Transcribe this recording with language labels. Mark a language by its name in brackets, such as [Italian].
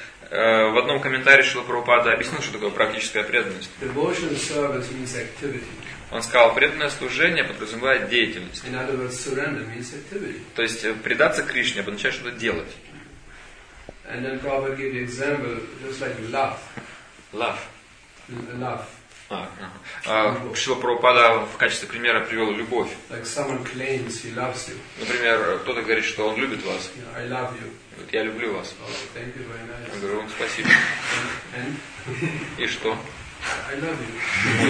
[Russian] В одном комментарии Шрила Прабхупада объяснил, что такое практическая преданность. [English] Devotional service means activity. [Russian] Он сказал, преданное служение подразумевает деятельность. [English] In other words, surrender means activity. [Russian] То есть предаться Кришне означает что-то делать. [English] And then Prabhupada gave the example just like love. Love. Love. [Russian] Шрила Прабхупада в качестве примера привел любовь. [English] Like someone claims he loves you. [Russian] Например, кто-то говорит, что он любит вас. [English] Yeah, I love you. [Russian] Говорит, я люблю вас. [English] Oh, thank you very nice. [Russian] Я говорю, спасибо. [English] And? [Russian] И что? [English] I love you.